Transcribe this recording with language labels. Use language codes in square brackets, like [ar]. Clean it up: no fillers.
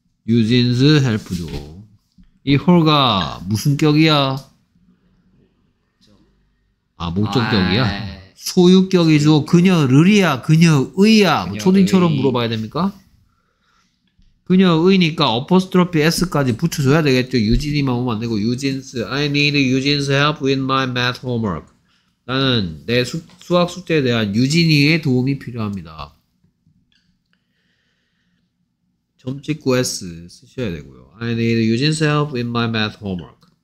[ko] 유진스 help죠. 이 her가 무슨 격이야? 아, 목적격이야? 아, 소유격이죠. 소유격. 그녀를이야? 그녀의야? 뭐 초딩처럼 물어봐야 됩니까? 그녀의니까 apostrophe s까지 붙여줘야 되겠죠. 유진이만 오면 안 되고 유진스. [en] I need Eugene's help with my math homework. [ko] 나는 내 수학 숙제에 대한 유진이의 도움이 필요합니다. 점 찍고 s 쓰셔야 되고요. [en] I need Eugene's help with my math homework.